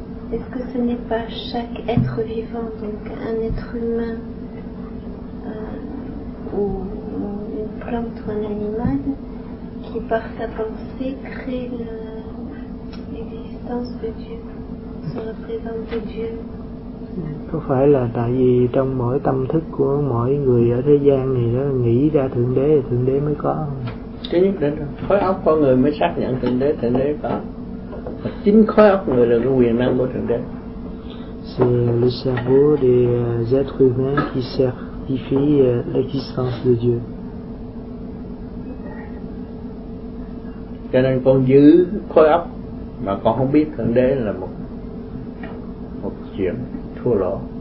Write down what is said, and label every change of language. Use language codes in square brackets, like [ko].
[fr] Est-ce que ce n'est pas chaque être vivant, donc un être humain, ou une plante ou un animal, qui par sa pensée crée l'existence de Dieu, sur la présence de Dieu. [vi] Không phải là tại vì trong mỗi tâm thức của mỗi người ở thế gian thì nó nghĩ ra Thượng Đế thì Thượng Đế mới có. Chứ nhất định khối óc con người mới xác nhận Thượng Đế có. Và chính khối óc người là cái quyền năng của Thượng Đế. [fr] C'est le cerveau des êtres humains qui certifie l'existence de Dieu. [vi] Cho nên con giữ khối óc mà con không biết Thượng Đế là một một chuyện thua lỗ.